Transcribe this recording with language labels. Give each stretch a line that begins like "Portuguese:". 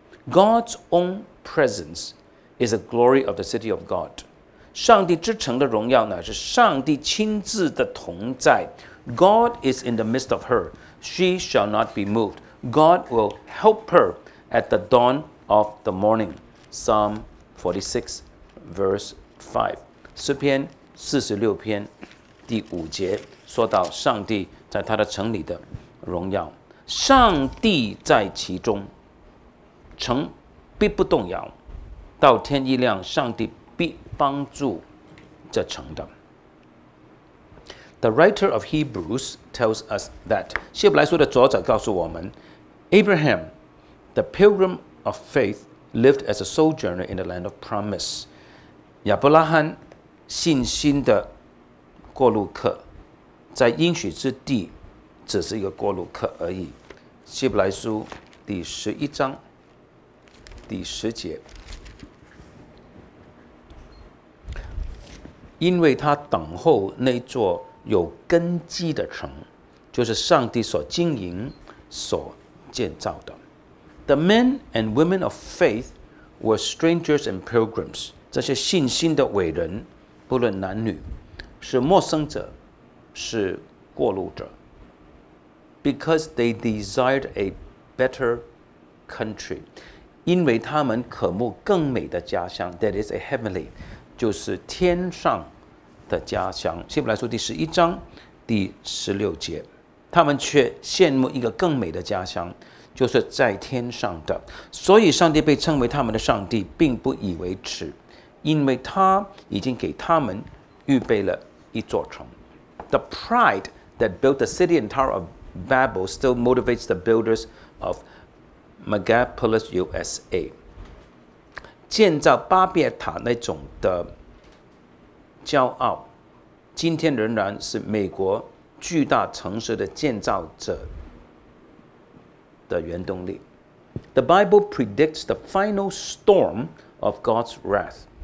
English: God's own presence is the glory of the city of God.
Chinese: 上帝之城的荣耀乃是上帝亲自的同在。
English: God is in the midst of her. She shall not be moved. God will help her at the dawn of the morning.
Chinese: Psalm 46:5 诗篇46第五节说到上帝在他的城里的荣耀上帝在其中城必不动摇到天一亮上帝必帮助这城的
English: The writer of Hebrews tells us that
Chinese: 希伯来书的作者告诉我们
English: Abraham the pilgrim of faith lived as a sojourner in the land of promise.
Chinese: 亚伯拉罕信心的过路客，在应许之地只是一个过路客而已。希伯来书第十一章第十节，因为他等候那座有根基的城，就是上帝所经营所建造的。
English: The men and women of faith were strangers and pilgrims.
Chinese: 这些信心的伟人，不论男女，是陌生者，是过路者。
English: Because they desired a better country.
Chinese: 因为他们渴慕更美的家乡，
English: that is a heavenly，
Chinese: 就是天上的家乡。希伯来书第十一章第十六节，他们却羡慕一个更美的家乡，就是在天上的。所以上帝被称为他们的上帝，并不以为耻，因为他已经给他们预备了一座城。
English: The pride that built the city and tower of Babel still motivates the builders of Megapolis USA.
Chinese: 建造巴别塔那种的骄傲，今天仍然是美国巨大城市的建造者的原动力。
English: The Bible predicts the final storm of God's wrath.